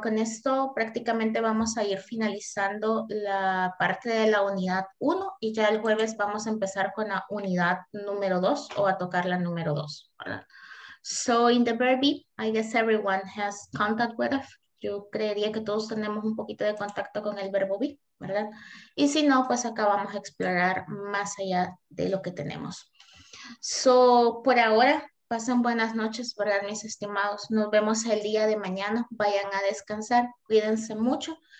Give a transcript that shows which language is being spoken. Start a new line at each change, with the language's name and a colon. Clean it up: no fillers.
Spanish: Con esto prácticamente vamos a ir finalizando la parte de la unidad 1 y ya el jueves vamos a empezar con la unidad número 2 o a tocar la número 2.
English: So in the verb be, I guess everyone has contact with it.
Spanish: Yo creería que todos tenemos un poquito de contacto con el verbo be, ¿verdad? Y si no, pues acá vamos a explorar más allá de lo que tenemos. So por ahora Pasen buenas noches, ¿verdad, mis estimados? Nos vemos el día de mañana. Vayan a descansar. Cuídense mucho.